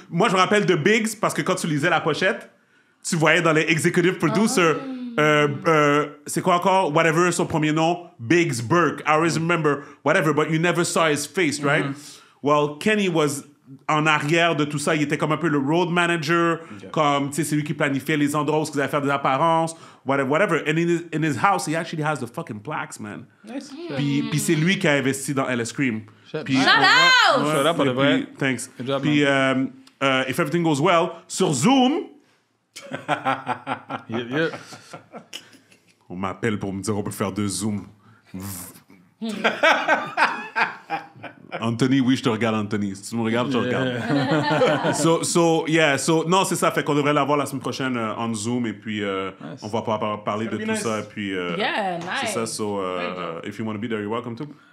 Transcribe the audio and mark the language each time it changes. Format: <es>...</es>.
<fr>Moi, je me rappelle de Biggs parce que quand tu lisais la pochette, tu voyais dans les executive producers... Oh. C'est quoi encore? Whatever, son premier nom, Biggs Burke.</fr> <en>I always remember whatever, but you never saw his face, right? Mm-hmm. Well, Kenny was</en> <fr>en arrière de tout ça. Il était comme un peu le road manager. Okay. Comme, tu sais, c'est lui qui planifiait les endroits où ils allaient faire des apparences.</fr> <en>Whatever, whatever. And in his house, he actually has the fucking plaques, man. Nice. Mm.</en> <fr>Puis c'est lui qui a investi dans LS Cream.</fr> <en>Shut up! Shut up,</en> <fr>on vrai.</fr> <en>Thanks. Good job,</en> <fr>puis,</fr> <en>if everything goes well, sur Zoom... yeah.</en> <fr>On m'appelle pour me dire qu'on peut faire deux Zoom. Anthony, oui, je te regarde, Anthony. Si tu me regardes, je te regarde.</fr> <en>So,</en> <fr>non, c'est ça. Fait qu'on devrait l'avoir la semaine prochaine en Zoom et puis nice. On va pouvoir parler de tout</fr> <en>nice.</en> <fr>Ça. Et puis,</fr> <en>yeah, nice.</en> <fr>C'est ça.</fr> <en>So, if you want to be there, you're welcome to.</en>